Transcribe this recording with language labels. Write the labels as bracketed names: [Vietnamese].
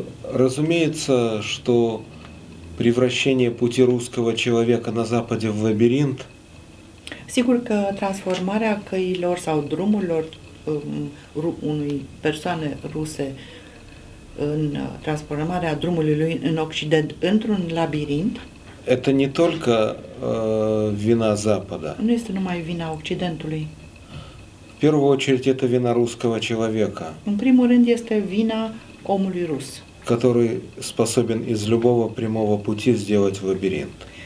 [Russian] Разумеется, что превращение пути русского человека на западе в лабиринт. [Romanian] Sigur că transformarea căilor sau drumurilor unei persoane ruse în transformarea drumului lui în Occident într-un labirint. [Russian] Это не только вина Запада. [Romanian] Nu este numai vina Occidentului. [Russian] В первую очередь это вина русского человека. [Romanian] În primul rând este vina omului rus, [Russian] который способен из любого прямого пути сделать лабиринт.